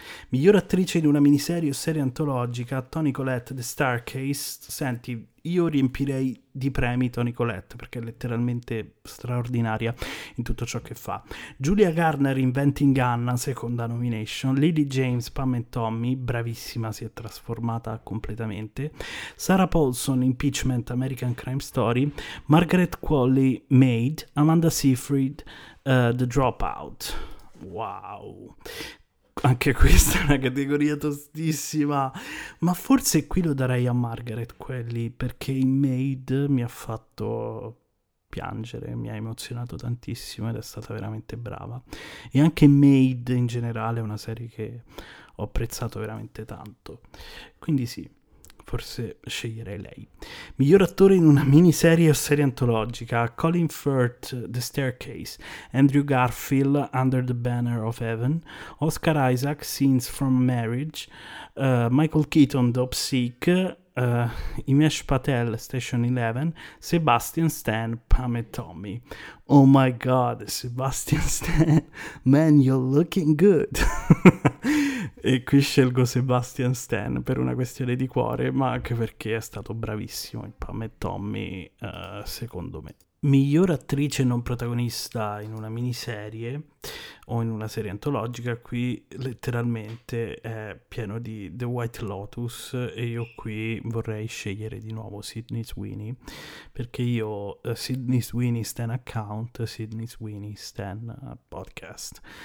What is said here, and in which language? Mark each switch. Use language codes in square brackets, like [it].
[it] Miglior attrice in una miniserie o serie antologica: Toni Collette, The Staircase. Senti, io riempirei di premi Toni Collette, perché è letteralmente straordinaria in tutto ciò che fa. Julia Garner, Inventing Anna, seconda nomination. Lily James, Pam and Tommy, bravissima, si è trasformata completamente. Sarah Paulson, Impeachment, American Crime Story. Margaret Qualley, Maid. Amanda Seyfried, The Dropout. Wow. Anche questa è una categoria tostissima, ma forse qui lo darei a Margaret Qualley, perché in Maid mi ha fatto piangere, mi ha emozionato tantissimo ed è stata veramente brava. E anche Maid in generale è una serie che ho apprezzato veramente tanto, quindi sì, forse sceglierei lei. Miglior attore in una miniserie o serie antologica: Colin Firth, The Staircase, Andrew Garfield, Under the Banner of Heaven, Oscar Isaac, Scenes from Marriage, Michael Keaton, Dope Sick, Imesh Patel, Station Eleven, Sebastian Stan, Pam e Tommy. [en] Oh my god, Sebastian Stan, man, you're looking good. [it] E qui scelgo Sebastian Stan per una questione di cuore, ma anche perché è stato bravissimo in Pam e Tommy, secondo me. Miglior attrice non protagonista in una miniserie o in una serie antologica: qui letteralmente è pieno di The White Lotus, e io qui vorrei scegliere di nuovo Sydney Sweeney, perché io Sydney Sweeney Stan account, Sydney Sweeney Stan podcast.